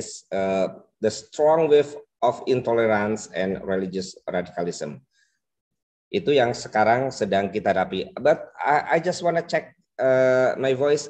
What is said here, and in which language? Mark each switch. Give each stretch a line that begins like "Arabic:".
English: There is the strong wave of intolerance and religious radicalism.
Indonesian: Itu yang sekarang sedang kita hadapi.
English: But I just want to check my voice.